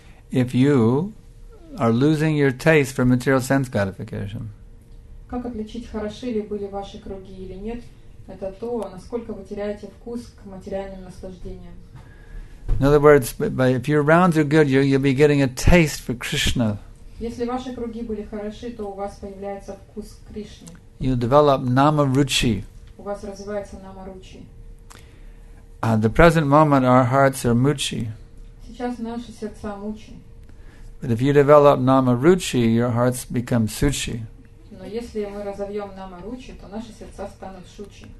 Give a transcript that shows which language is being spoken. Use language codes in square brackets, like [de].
[en] If you are losing your taste for material sense gratification. [ru] Как отличить, хороши ли были ваши круги или нет? Это то, насколько вы теряете вкус к материальным наслаждениям. [en] In other words, if your rounds are good, you'll be getting a taste for Krishna. [ru] Если ваши круги были хороши, то у вас появляется вкус к Кришне. [en] You develop nama ruchi. [ru] У вас развивается nama ruchi. [en] At the present moment, our hearts are muchi. [ru] Сейчас наши сердца muchi. [en] But if you develop nama ruchi, your hearts become suchi. [ru] Но если мы разовьем nama ruchi, то наши сердца станут suchi.